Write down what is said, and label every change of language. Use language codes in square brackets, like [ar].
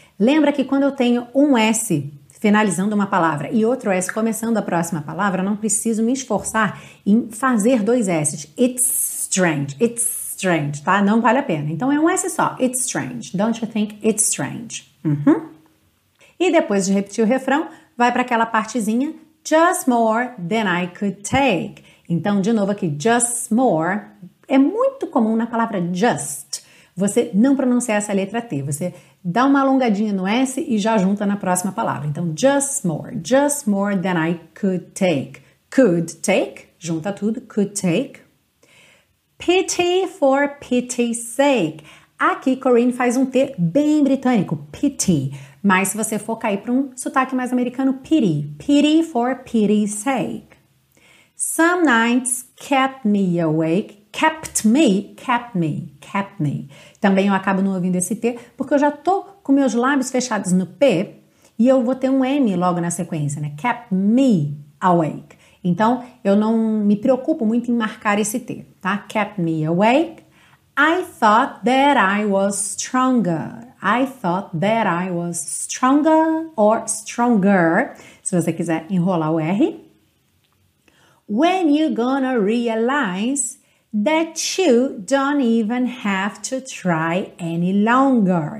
[pt] Lembra que quando eu tenho um S finalizando uma palavra e outro S começando a próxima palavra, eu não preciso me esforçar em fazer dois S's. It's strange, it's strange, tá? Não vale a pena. Então, é um S só. It's strange. [en] Don't you think it's strange? Uhum. [pt] E depois de repetir o refrão, vai para aquela partezinha. [en] Just more than I could take. [pt] Então, de novo aqui, just more. É muito comum na palavra just você não pronunciar essa letra T. Você dá uma alongadinha no S e já junta na próxima palavra. [en] Então, just more than I could take. Could take, junta tudo, could take. Pity for pity's sake. [pt] Aqui, Corinne faz um T bem britânico, pity. Mas se você for cair para um sotaque mais americano, pity. [en] Pity for pity's sake. Some nights kept me awake. Kept me, kept me, kept me. [pt] Também eu acabo não ouvindo esse T, porque eu já tô com meus lábios fechados no P, e eu vou ter um M logo na sequência, né? Kept me awake. Então, eu não me preocupo muito em marcar esse T, tá? [en] Kept me awake. I thought that I was stronger. I thought that I was stronger or stronger, se você quiser enrolar o R. When you gonna realize that you don't even have to try any longer.